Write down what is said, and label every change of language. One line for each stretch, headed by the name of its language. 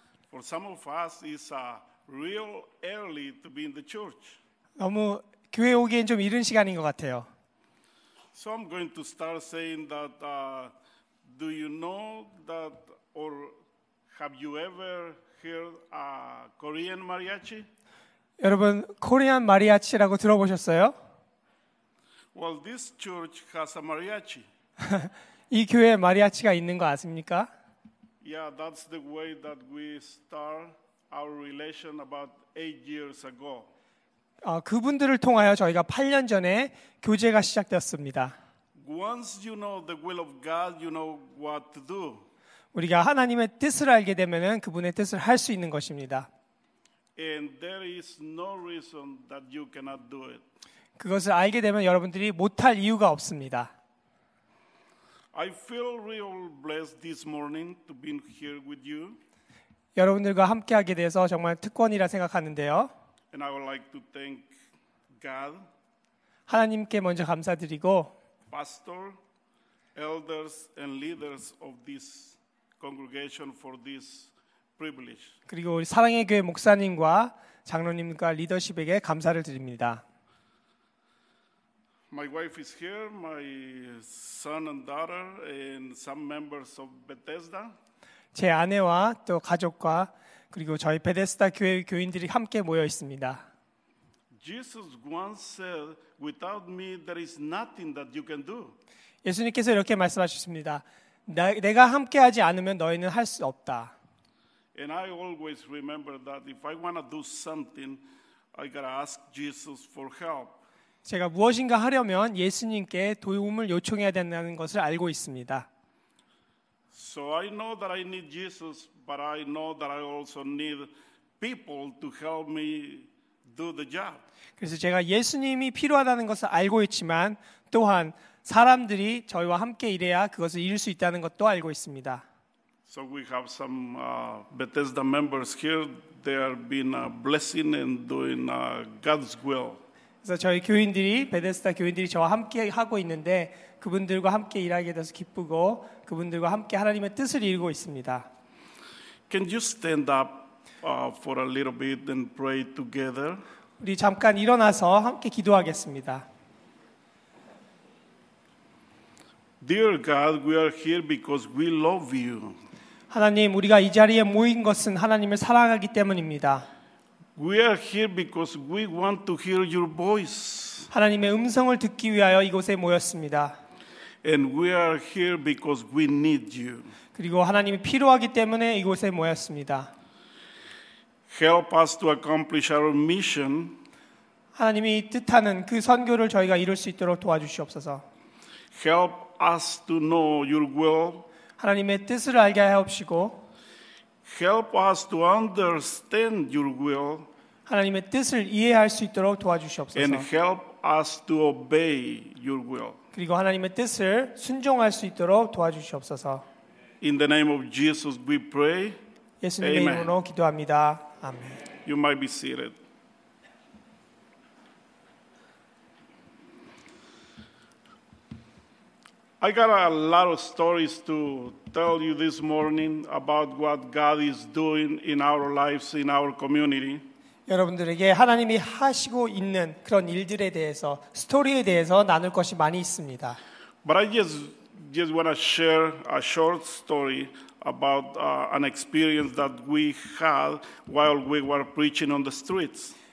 English: For some of us, it's a real early to be in the church.
Korean: 너무 교회 오기엔 좀 이른 시간인 것 같아요.
English: So I'm going to start saying that. Do you know that, or have you ever heard a Korean mariachi?
Korean: 여러분, 코리안 마리아치라고 들어보셨어요?
English: Well, this church has a mariachi.
Korean: 이 교회에 마리아치가 있는 거 아십니까?
English: Yeah, that's the way that we start our relation about 8 years ago.
Korean: 그분들을 통하여 저희가 8년 전에 교제가 시작되었습니다.
English: Once you know the will of God, you know what to do.
Korean: 우리가 하나님의 뜻을 알게 되면은 그분의 뜻을 할 수 있는 것입니다.
English: And there is no reason that you cannot do it.
Korean: 그것을 알게 되면 여러분들이 못할 이유가 없습니다.
English: I feel real blessed this morning to be here with you.
Korean: 여러분들과 함께 하게 돼서 정말 특권이라 생각하는데요.
English: And I would like to thank God.
Korean: 하나님께 먼저 감사드리고
English: pastor, elders and leaders of this congregation for this
Korean: 그리고 우리 사랑의 교회 목사님과 장로님과 리더십에게 감사를 드립니다.
English: My wife is here, my son and daughter and some members of Bethesda.
Korean: 제 아내와 또 가족과 그리고 저희 베데스다 교회 교인들이 함께 모여 있습니다.
English: Jesus once said, "Without me there is nothing that you can do."
Korean: 예수님께서 이렇게 말씀하셨습니다. 내가 함께 하지 않으면 너희는 할 수 없다.
English: And I always remember that if I want to do something, I gotta ask Jesus for help.
Korean: 제가 무엇인가 하려면 예수님께 도움을 요청해야 된다는 것을 알고 있습니다.
English: So I know that I need Jesus, but I know that I also need people to help me do the job.
Korean: 그래서 제가 예수님이 필요하다는 것을 알고 있지만, 또한 사람들이 저희와 함께 일해야 그것을 이룰 수 있다는 것도 알고 있습니다.
English: So we have some Bethesda members here. They are being a blessing and doing God's will.
Korean: 그래서 저희 교인들이 베데스다 교인들이 저와 함께 하고 있는데 그분들과 함께 일하게 돼서 기쁘고 그분들과 함께 하나님의 뜻을 이루고 있습니다.
English: Can you stand up for a little bit and pray together?
Korean: 우리 잠깐 일어나서 함께 기도하겠습니다.
English: Dear God, we are here because we love you.
Korean: 하나님, 우리가 이 자리에 모인 것은 하나님을 사랑하기 때문입니다.
English: We are here because we want to hear your voice.
Korean: 하나님의 음성을 듣기 위하여 이곳에 모였습니다.
English: And we are here because we need you.
Korean: 그리고 하나님이 필요하기 때문에 이곳에 모였습니다.
English: Help us to accomplish our mission.
Korean: 하나님이 뜻하는 그 선교를 저희가 이룰 수 있도록 도와주시옵소서.
English: Help us to know your will.
Korean: 하나님의 뜻을 알게 하옵시고
English: help us to understand your will.
Korean: 하나님의 뜻을 이해할 수 있도록 도와주시옵소서.
English: And help us to obey your will.
Korean: 그리고 하나님의 뜻을 순종할 수 있도록 도와주시옵소서.
English: In the name of Jesus we pray.
Korean: 예수님의 Amen. 이름으로 기도합니다. 아멘.
English: You might be seated. I got a lot of stories to tell you this morning about what God is doing in our lives, in our community.
Korean: 여러분들에게 하나님이 하시고 있는 그런 일들에 대해서, 스토리에 대해서 나눌 것이 많이 있습니다.
English: But I just want to share a short story about an experience that we had while we were preaching on the streets.